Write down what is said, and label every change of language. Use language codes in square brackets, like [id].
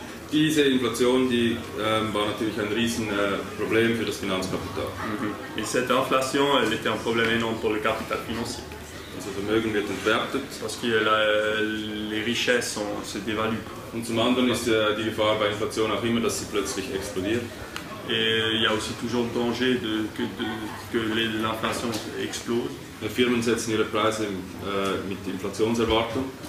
[de] Diese Inflation, die war natürlich ein riesen Problem für das Finanzkapital. Mm-hmm. [fr] Et cette inflation, elle était un problème énorme pour le capital financier. [de] Also Vermögen wird entwertet. [fr] Parce que les richesses se dévaluent. [de] Und zum anderen ist die Gefahr bei Inflation auch immer, dass sie plötzlich explodiert. [fr] Et il y a aussi toujours le danger que l'inflation explose. [de] Die Firmen setzen ihre Preise mit Inflationserwartung.